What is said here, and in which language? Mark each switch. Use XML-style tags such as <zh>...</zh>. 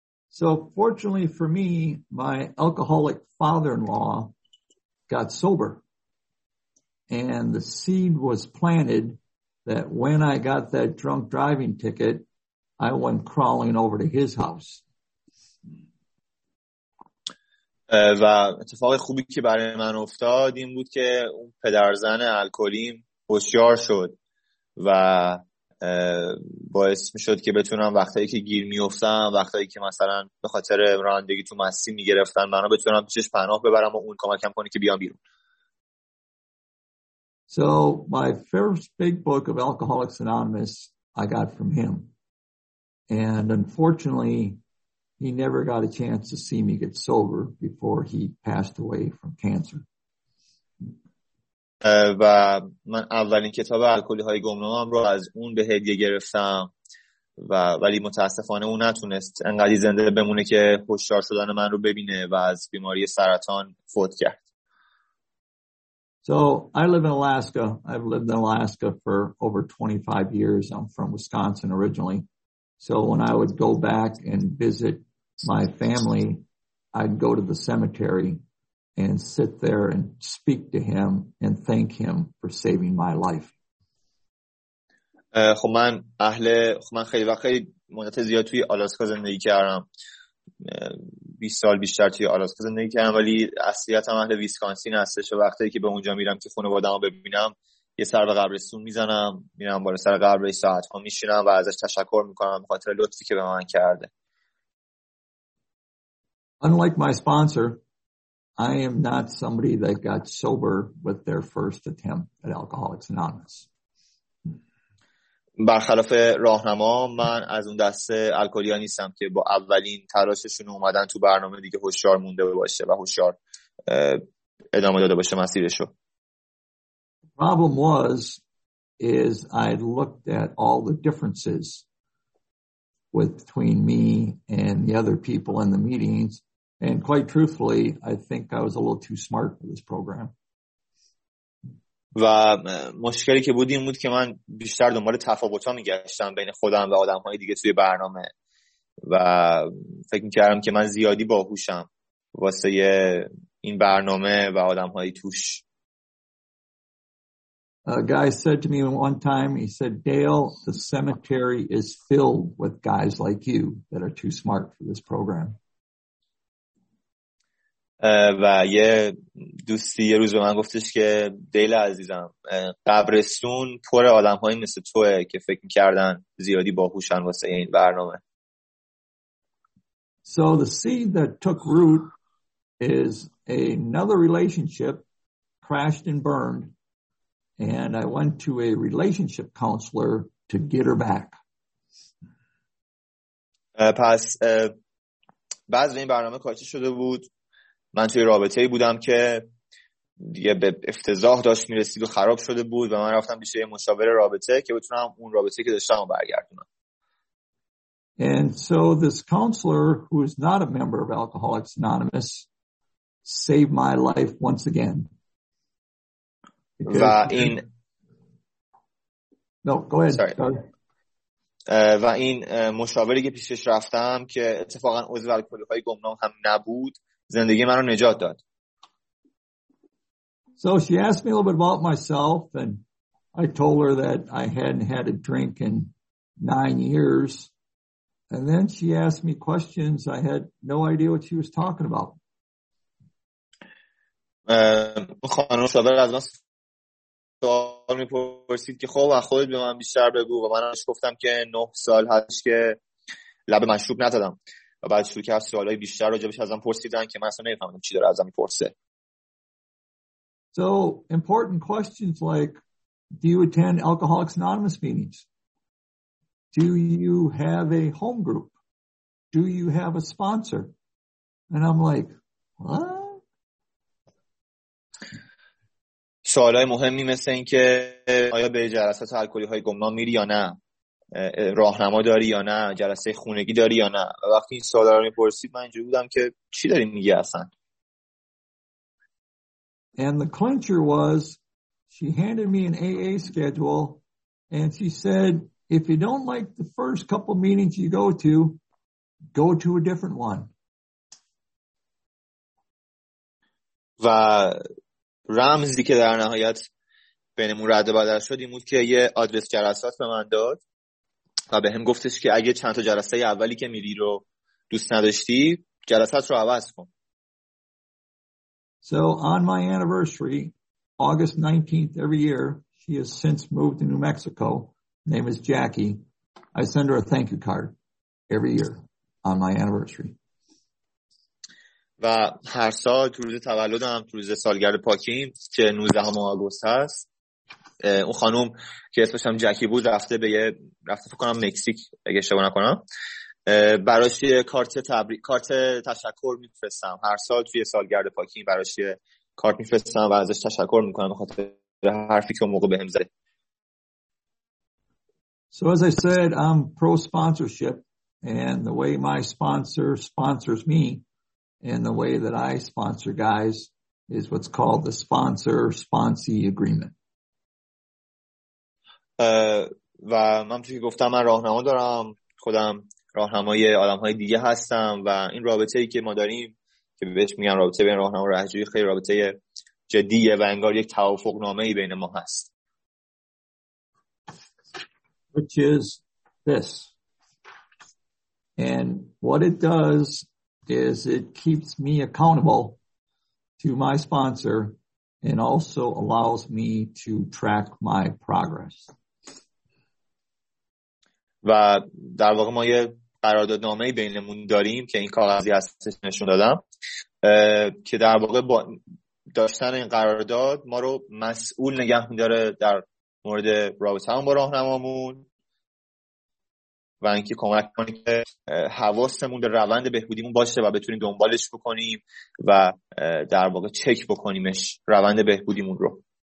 <en>So fortunately for me my alcoholic father-in-law got sober. And the seed was planted that when I got that drunk driving ticket, I went crawling over to his house.</en> <fa>و اتفاق خوبی که برای من افتاد این بود که اون پدرزن الکلیم هوشیار شد و باعث میشد که بتونم وقتایی که گیر میافتم وقتایی که مثلا به خاطر رانندگی تو مسیر میگرفتن منو بتونم پیشش پناه ببرم و اون کمکم کنه که بیام بیرون.</fa> <en>So my first big book of Alcoholics Anonymous I got from him. And unfortunately, he never got a chance to see me get sober before he passed away from cancer.</en> <fa>و من اولین کتاب الکلی های گمنامم رو از اون به هدیه گرفتم و ولی متاسفانه اون نتونست انقدر زنده بمونه که هوشیار شدن من رو ببینه و از بیماری سرطان فوت کرد.</fa> <en>So I live in Alaska. I've lived in Alaska for over 25 years. I'm from Wisconsin originally. So when I would go back and visit my family, I'd go to the cemetery and sit there and speak to him and thank him for saving my life.</en> <fa>خب من خیلی وقت خیلی مدت زیاد توی آلاسکا زندگی کردم. 20 سال بیشتر توی آلاسکا زندگی کردم ولی اصالتم اهل ویسکانسین هستش و وقتی که به اونجا میرم که خانواده‌امو ببینم یه سر به قبرستون میزنم میرم بالا سر قبرش ساعت‌ها میشینم و ازش تشکر میکنم به خاطر لطفی که به من کرده.</fa> <en>Unlike my sponsor, I am not somebody that got sober with their first attempt at Alcoholics Anonymous.</en> <fa>برخلاف راهنما من از اون دسته الکلی‌ها نیستم که با اولین تلاششون اومدن تو برنامه دیگه هوشیار مونده باشه و هوشیار ادامه داده باشه مسیرشو.</fa> <en>Problem was is I looked at all the differences between me and the other people in the meetings and quite truthfully I think I was a little too smart for this program.</en> <fa>و مشکلی که بود این بود که من بیشتر دنبال تفاوت ها میگشتم بین خودم و آدم های دیگه توی برنامه و فکر میکردم که من زیادی باهوشم واسه این برنامه و آدم های توش.</fa> <en>A guy said to me one time, he said, Dale, the cemetery is filled with guys like you that are too smart for this program.</en> <fa>و یه دوستی یه روز به من گفتش که دیل عزیزم قبرستون پر آدم هایی مثل توه که فکر کردن زیادی باهوشن واسه این برنامه.</fa> <en>So the seed that took root is another relationship crashed and burned and I went to a relationship counselor to get her back.</en> <fa>پس بعض این برنامه کاشی شده بود. من توی رابطه‌ای بودم که دیگه به افتضاح داشت می‌رسید و خراب شده بود و من رفتم پیش یه مشاور رابطه که بتونم اون رابطه‌ای که داشتم رو برگردونم.</fa> <en>And so this counselor who is not a member of Alcoholics Anonymous saved my life once again.</en> <fa>و این</fa> <en>No, go ahead. Sorry.</en> <fa>و این مشاوری که پیشش رفتم که اتفاقا عضو الکلی‌های گمنام هم نبود زندگی منو نجات داد.</fa> <en>So she asked me a little bit about myself and I told her that I hadn't had a drink in 9 years and then she asked me questions I had no idea what she was talking about.</en> <fa>خانم صابر از من سوال می‌پرسید که خب خودت به من بیشتر بگو و من اش گفتم که 9 سال هست که لب مشروب نزدم. و بعد شروع کرد سوالای بیشتر راجبش ازم پرسیدن که من اصلا نمی‌فهمیدم چی داره ازم می‌پرسه.</fa> <en>So, important questions like do you attend Alcoholics Anonymous meetings? Do you have a home group? Do you have a sponsor? And I'm like, "What?"</en> <fa>سوالای مهمی مثل این که آیا به جلسات الکلی‌های گمنام میری یا نه؟ راهنما داری یا نه، جلسه خونگی داری یا نه. وقتی این سوال رو میپرسید من اینجوری بودم که چی داری میگی اصلا.</fa> <en>And the clincher was she handed me an AA schedule and she said if you don't like the first couple meetings you go to a different one.</en> <fa>و رمزی که در نهایت بینمون رد و بدل شد این بود که یه آدرس جلسات به من داد و به هم گفتش که اگه چند تا جلسه اولی که میری رو دوست نداشتی جلسات رو عوض کن.</fa> <en>So on my anniversary, August 19th every year, she has since moved to New Mexico. Name is Jackie. I send her a thank you card every year on my anniversary.</en> <fa>و هر سال تو روز تولدم تو روز سالگرد پاکیم که 19 آگوست هست اون خانوم که اسمش هم جکی بود رفته به یه رفته فکر کنم مکزیک اگه اشتباه نکنم براش یه کارت تبریک کارت تشکر میفرستم هر سال توی سالگرد پاکی براش یه کارت میفرستم و ازش تشکر میکنم بخاطر حرفی که اون موقع بهم زد.</fa> <en>So as I said I'm pro sponsorship and the way my sponsor sponsors me and the way that I sponsor guys is what's called the sponsor sponsee agreement.</en> <fa>و من توی که گفتم من راهنما دارم خودم راهنمای آدم های دیگه هستم و این رابطه ای که ما داریم که بهش میگم رابطه بین راهنما و رهجوی خیلی رابطه جدیه و انگار یک توافق نامه ای بین ما هست.</fa> <en>Which is this. And what it does is it keeps me accountable to my sponsor and also allows me to track my progress.</en> <fa>و در واقع ما یه قراردادنامه‌ای بینمون داریم که این کاغذی هستش نشون دادم که در واقع با داشتن این قرارداد ما رو مسئول نگه می‌داره در مورد رابطه هم با راهنمامون و اینکه کمک کنه که حواسمون به روند بهبودیمون باشه و بتونیم دنبالش بکنیم و در واقع چک بکنیمش روند بهبودیمون رو.</fa>